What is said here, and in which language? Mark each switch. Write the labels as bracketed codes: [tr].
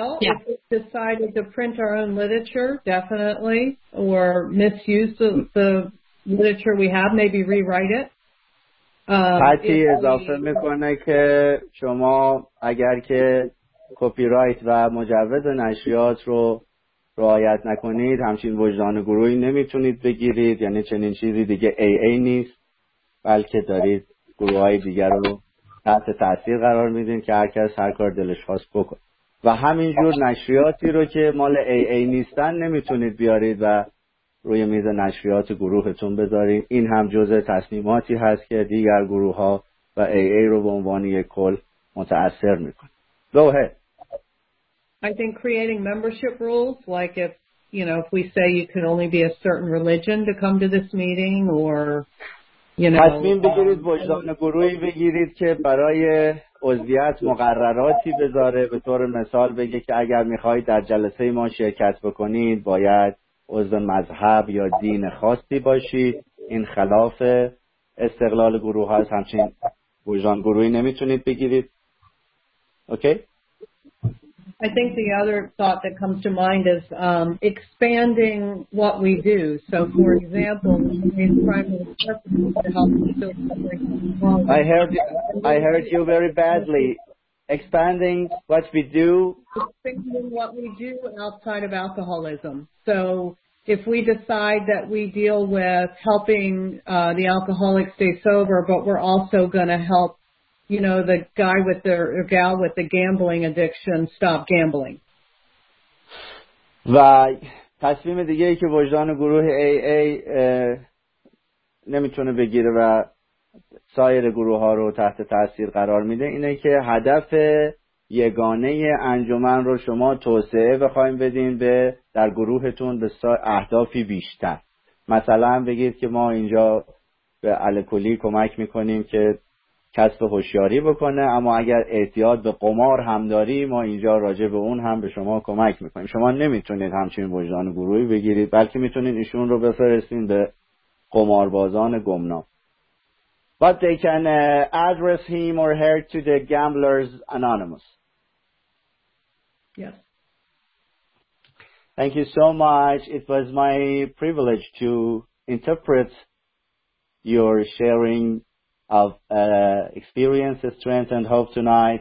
[en] If we decided to print our own literature, definitely, or misuse the literature we have, maybe rewrite it. [fa] Patty اضافه میکنه که شما اگر که کپی رایت و مجوز نشریات رو رعایت نکنید همچین وجدان گروهی نمیتونید بگیرید، یعنی چنین چیزی دیگه AA نیست، بلکه دارید گروه های دیگر رو تحت تاثیر قرار میدین که هر کس هر کار دلش خواست بکن، و همینجور نشریاتی رو که مال AA نیستن نمیتونید بیارید و روی میز نشریات گروهتون بذارید. این هم جزء تصمیماتی هست که دیگر گروه ها و AA رو به عنوان یک کل متاثر میکنه. لوحه [en] I think creating membership rules, like if, you know, if we say you can only be a certain religion to come to this meeting, or, you know. [fa] تصمیم بگیرید وجدان گروهی بگیرید که برای عضویت مقرراتی بذاره، به طور مثال بگه که اگر میخواهید در جلسه ما شرکت بکنید باید عضو مذهب یا دین خاصی باشید، این خلاف استقلال گروه هست، همچنین وجدان گروهی نمیتونید بگیرید. [en] Okay? I think the other thought that comes to mind is expanding what we do. So, for example, in primary services to help people with disabilities. I heard you very badly. Expanding what we do. Expanding what we do outside of alcoholism. So, if we decide that we deal with helping the alcoholic stay sober, but we're also going to help. You know, the guy with the or gal with the gambling addiction stop gambling. [fa] و تصمیم دیگه ای که وجدان گروه AA نمیتونه بگیره و سایر گروه ها رو تحت تاثیر قرار میده اینه که هدف یگانه انجمن رو شما توسعه بخواییم بدین به در گروهتون به اهدافی بیشتر. مثلا بگید که ما اینجا به الکلی کمک میکنیم که کسب هوشیاری بکنه، اما اگر اعتیاد به قمار هم داری ما اینجا راجع به اون هم به شما کمک میکنیم. شما نمیتونید همچین وجدان گروهی بگیرید، بلکه میتونید ایشون رو بفرستین به قماربازان گمنام. [en] But they can address him or her to the gamblers anonymous. Yes. Thank you so much. It was my privilege to interpret your sharing of experience, strength, and hope tonight.